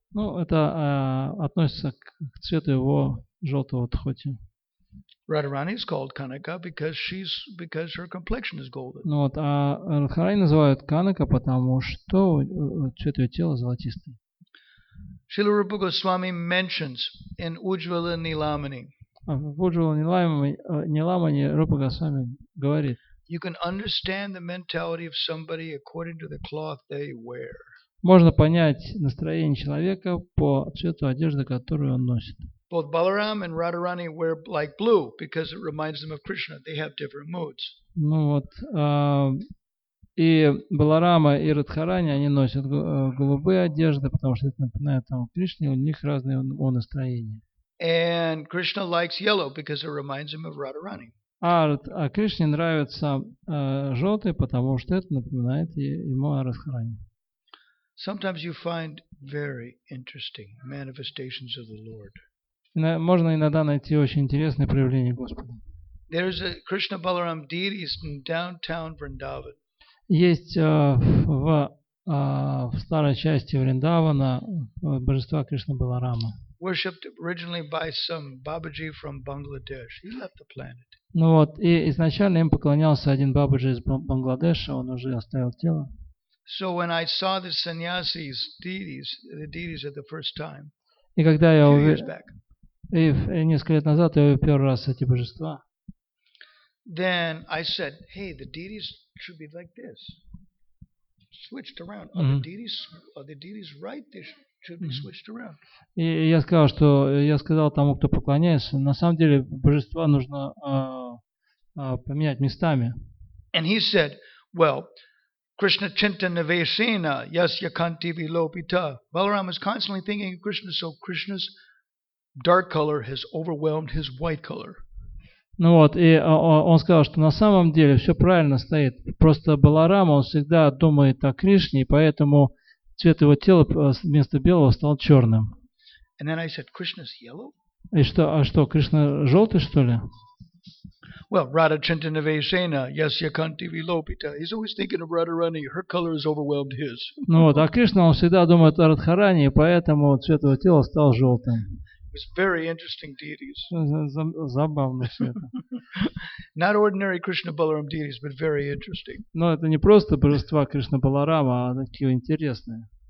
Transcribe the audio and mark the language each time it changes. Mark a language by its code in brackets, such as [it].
[ru] Ну, это относится к цвету его желтого дхоти. [en] Radharani is called Kanaka because her complexion is golden. [ru] Ну вот, а Радхарани называют Kanaka, потому что цвет ее тела золотистый. [en] Srila Rupa Goswami mentions in Ujjvala Nilamani. [ru] В Ujjvala Nilamani Rupa Goswami говорит. [en] You can understand the mentality of somebody according to the cloth they wear. [ru] Можно понять настроение человека по цвету одежды, которую он носит. [en] Both Balaram and Radharani wear like blue because it reminds them of Krishna. They have different moods. [ru] Ну вот, И Баларама и Радхарани, они носят голубые одежды, потому что это напоминает там Кришне, у них разные настроения. [en] And Krishna likes yellow because it reminds him of Radharani. [ru] А Кришне нравится желтый, потому что это напоминает ему о Радхарани. [en] Sometimes you find very interesting manifestations of the Lord. [ru] Можно иногда найти очень интересные проявления Господа. [en] There is a Krishna Balaram deities in downtown Vrindavan. [ru] Есть в старой части Вриндавана божества Кришна Баларама. [en] Worshipped originally by some Babaji from Bangladesh. He left the planet. [ru] Ну вот, и изначально им поклонялся один Бабаджи из Бангладеша, он уже оставил тело. [en] So when I saw the sannyasis deities, the deities at the first time. [ru] И когда я увидел, несколько лет назад я увидел первый раз эти божества. [en] Then I said, hey, the deities should be like this. Switched around. Mm-hmm. Are the deities right? They should be mm-hmm. switched around. [ru] И я сказал тому, кто поклоняется, на самом деле божества нужно поменять местами. [en] And he said, well, [sa] Krishna Chintana Vesena, Yasya Kanti Vilopita. [en] Balaram is constantly thinking of Krishna, so Krishna's dark color has overwhelmed his white color. [ru] Ну вот, и он сказал, что на самом деле все правильно стоит. Просто Баларама, он всегда думает о Кришне, и поэтому цвет его тела вместо белого стал черным. [en] And then I said, Krishna's yellow? [ru] А что, Кришна желтый, что ли? [sa] Well, Radha Chintana Vesena, Yasya Kanti Vilopita. [en] He's always thinking of Radharani. Her color has overwhelmed his. [ru] Ну вот, а Кришна, он всегда думает о Радхарани, и поэтому цвет его тела стал желтым. [en] It's very interesting deities. [ru] Забавно все это. [en] Not ordinary Krishna Balaram deities, but very interesting. [ru] Но это не просто божества Кришна Баларама, а такие интересные.